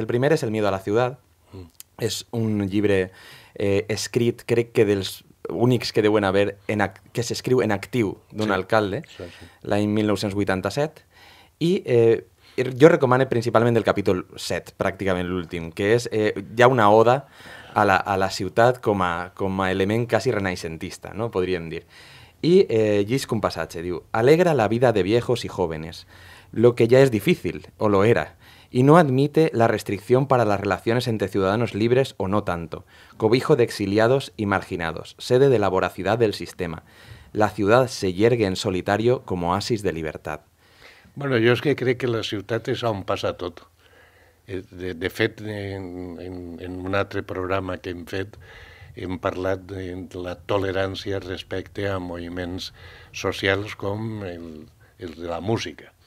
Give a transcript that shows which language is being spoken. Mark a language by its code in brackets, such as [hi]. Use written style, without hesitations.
[ca] El primer és El miedo a la ciudad. És un llibre escrit, crec que dels únics que deuen haver, que s'escriu en actiu d'un alcalde, l'any 1987. I jo recomano principalment el capítol 7, pràcticament l'últim, que és ja una oda a la ciutat com a element quasi renaixentista, no? Podríem dir. I llisc un passatge, diu: [es] alegra la vida de viejos y jóvenes, lo que ya es difícil, o lo era, y no admite la restricción para las relaciones entre ciudadanos libres o no tanto, cobijo de exiliados y marginados, sede de la voracidad del sistema. La ciudad se yergue en solitario como oasis de libertad. Bueno, yo es que creo que la ciudad es [ca] a un pas a tot. De fet, en un altre programa que hem fet, hem parlat de la tolerància respecte a moviments socials com el de la música.